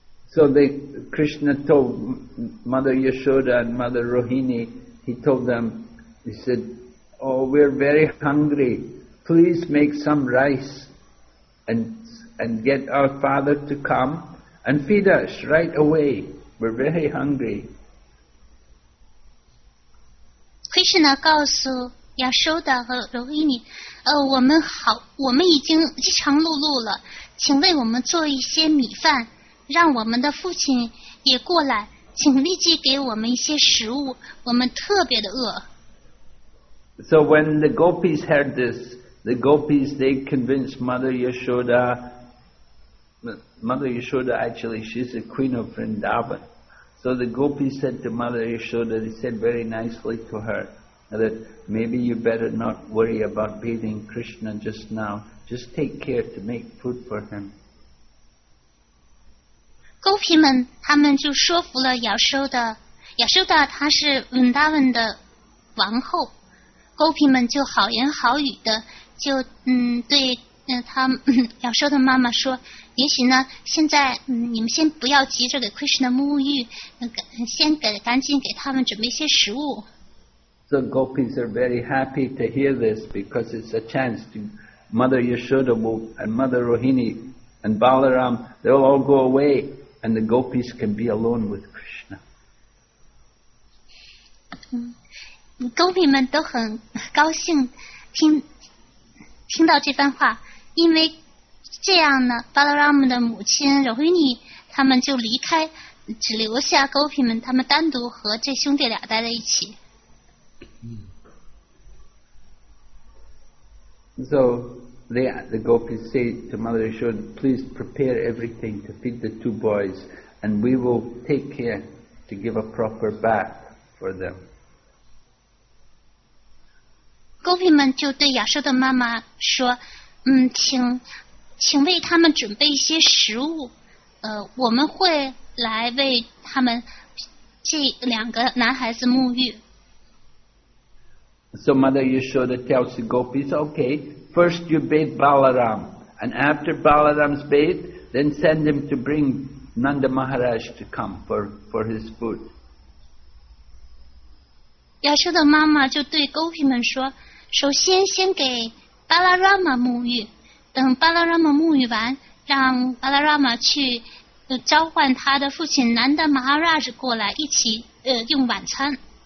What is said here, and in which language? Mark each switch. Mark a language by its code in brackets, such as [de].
[en] So they, Krishna told Mother Yashoda and Mother Rohini, he told them, he said, oh, we're very hungry. Please make some rice and get our father to come and feed us right away. We're very hungry. [zh] Krishna 告诉亚修达和罗伊尼，我们好，我们已经饥肠辘辘了，请为我们做一些米饭，让我们的父亲也过来，请立即给我们一些食物，我们特别的饿。 [en] So when the gopis heard this, the gopis they convinced Mother Yashoda. Mother Yashoda actually she's the queen of Vrindavan. So the gopis said to Mother Yashoda, they said very nicely to her. That maybe you better not worry about bathing Krishna just now. Just take care to make food for him. [zh] Gopi 们他们就说服了亚修达，亚修达她是文达文的王后。 Gopi 们就好言好语的就对他亚修达妈妈说，也许呢现在你们先不要急着给 Krishna 沐浴，先给赶紧给他们准备一些食物。 [en] So gopis are very happy to hear this because it's a chance to Mother Yashoda and Mother Rohini and Balaram, they'll all go away and the gopis can be alone with Krishna. [zh] Gopi 们都很高兴听到这番话，因为这样呢 Balaram 的母亲 Rohini 他们就离开，只留下 Gopi 们他们单独和这兄弟俩待在一起。 [en] So the gopis say to Mother Yashoda, please prepare everything to feed the two boys and we will take care to give a proper bath for them. [zh] Gopi 们就对亚修达妈妈说，请为他们准备一些食物，我们会来为他们这两个男孩子沐浴。 [en] So Mother Yashoda tells the gopis, okay, first you bathe Balaram, and after Balaram's bathed, then send him to bring Nanda Maharaj to come for his food. [zh] Yashoda 妈妈就对 gopi 们说，首先先给 Balarama 沐浴，等 Balarama 沐浴完，让 Balarama 去召唤他的父亲 Nanda Maharaj 过来一起用晚餐。